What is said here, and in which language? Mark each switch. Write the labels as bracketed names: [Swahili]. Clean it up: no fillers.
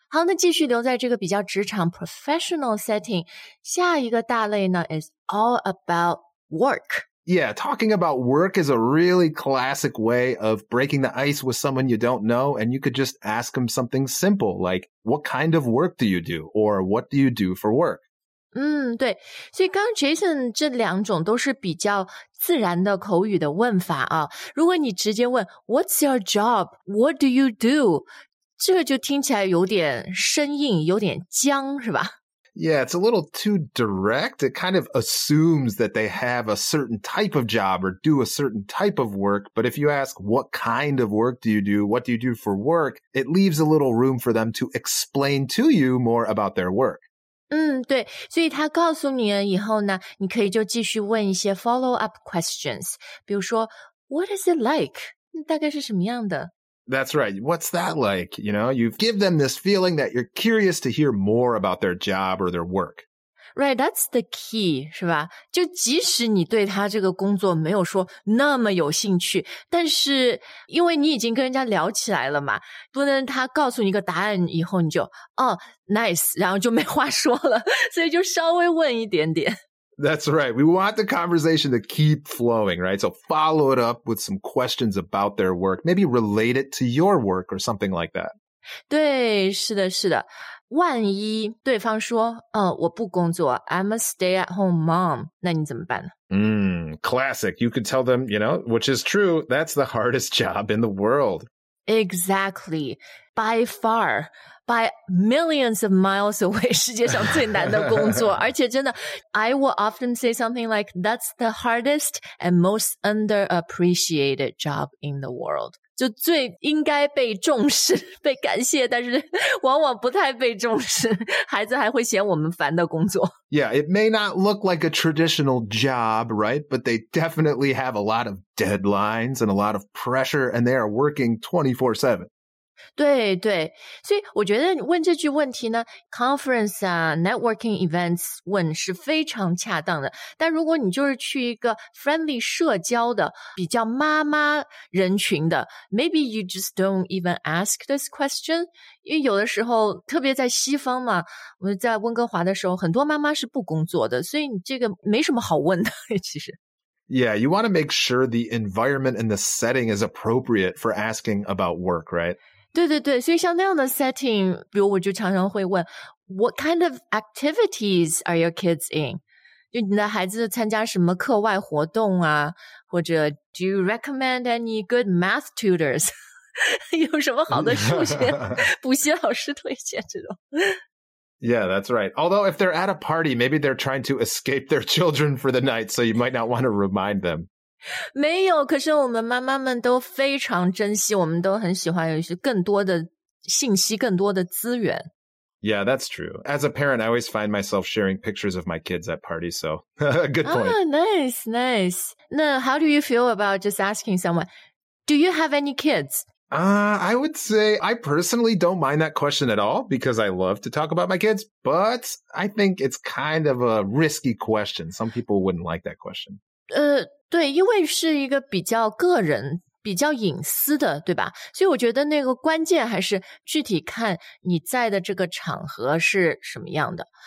[Chinese] 好，那继续留在这个比较职场 [English] professional setting, [Chinese] 下一个大类呢 [English] is all about work. Yeah, talking about work is a really classic way of breaking the ice with someone you don't know, and you could just ask them something simple, like, what kind of work do you do? Or what do you do for work? [Chinese] 嗯，对，所以刚 Jason 这两种都是比较自然的口语的问法啊。如果你直接问 [English] What's your job? What do you do? [Chinese] 这个就听起来有点生硬，有点僵，是吧 [English] ？Yeah, it's a little too direct. It kind of assumes that they have a certain type of job or do a certain type of work. But if you ask, what kind of work do you do? What do you do for work? It leaves a little room for them to explain to you more about their work. [Chinese] 嗯，对，所以他告诉你了以后呢，你可以就继续问一些 [English] follow-up questions. [Chinese] 比如说 , [English] what is it like? [Chinese] 大概是什么样的？ [English] That's right. What's that like? You know, you give them this feeling that you're curious to hear more about their job or their work. Right, that's the key, [Chinese] 是吧？就即使你对他这个工作没有说那么有兴趣，但是因为你已经跟人家聊起来了嘛，不能他告诉你一个答案以后你就，哦，nice，然后就没话说了，所以就稍微问一点点。 [English] That's right. We want the conversation to keep flowing, right? So follow it up with some questions about their work, maybe relate it to your work or something like that. [Chinese] 对，是的，是的。万一对方说，哦，我不工作， [English] I'm a stay-at-home mom, [Chinese] 那你怎么办呢？ [English] Classic. You could tell them, you know, which is true, that's the hardest job in the world. Exactly. By far. By millions of miles away, [Chinese] 世界上最难的工作。而且真的, [English] I will often say something like, that's the hardest and most underappreciated job in the world. [Chinese] 就最应该被重视,被感谢,但是往往不太被重视,孩子还会嫌我们烦的工作。 [English] Yeah, it may not look like a traditional job, right? But they definitely have a lot of deadlines and a lot of pressure, and they are working 24/7. [Chinese] 对对，所以我觉得问这句问题呢 ,conference 啊 ,networking events 问是非常恰当的。但如果你就是去一个 friendly 社交的比较妈妈人群的 , [English] maybe you just don't even ask this question, [Chinese] 因为有的时候特别在西方嘛，我在温哥华的时候很多妈妈是不工作的，所以你这个没什么好问的其实。 [English] Yeah, you want to make sure the environment and the setting is appropriate for asking about work, right? [Chinese] 对对对，所以像那样的 setting, 比如我就常常会问 [English] What kind of activities are your kids in? [Chinese] 就你的孩子参加什么课外活动啊，或者 [English] Do you recommend any good math tutors? [Chinese] 有什么好的数学补习老师推荐这种 [English] Yeah, that's right. Although if they're at a party, maybe they're trying to escape their children for the night, so you might not want to remind them. [Chinese] 没有，可是我们妈妈们都非常珍惜，我们都很喜欢有一些更多的信息，更多的资源。 [English] Yeah, that's true. As a parent, I always find myself sharing pictures of my kids at parties, so good point. Ah, nice, nice. Now, how do you feel about just asking someone, do you have any kids? I would say I personally don't mind that question at all because I love to talk about my kids, but I think it's kind of a risky question. Some people wouldn't like that question. [Chinese] 对，因为是一个比较个人、比较隐私的，对吧？所以我觉得那个关键还是具体看你在的这个场合是什么样的。